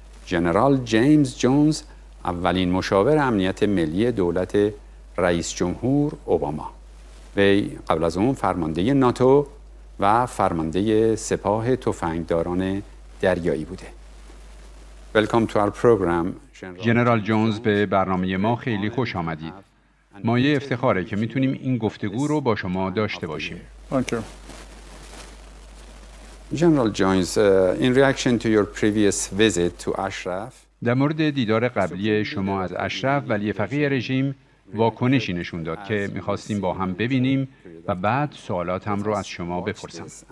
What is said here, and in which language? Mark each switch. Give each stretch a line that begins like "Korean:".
Persian: جنرال جیمز جونز، اولین مشاور امنیت ملی دولت رئیس جمهور اوباما، وی قبل از اون فرمانده ناتو و فرمانده سپاه تفنگداران دریایی بوده.
English: Welcome to our program.
Persian: جنرال جونز، به برنامه ما خیلی خوش آمدید. مایه افتخاره که میتونیم این گفتگو رو با شما داشته باشیم.
English: General Jones, in reaction to your previous visit to Ashraf.
Persian: در مورد دیدار قبلی شما از اشرف، ولی فقیه رژیم واکنشی نشون داد که میخواستیم با هم ببینیم و بعد سوالاتم رو از شما بپرسم.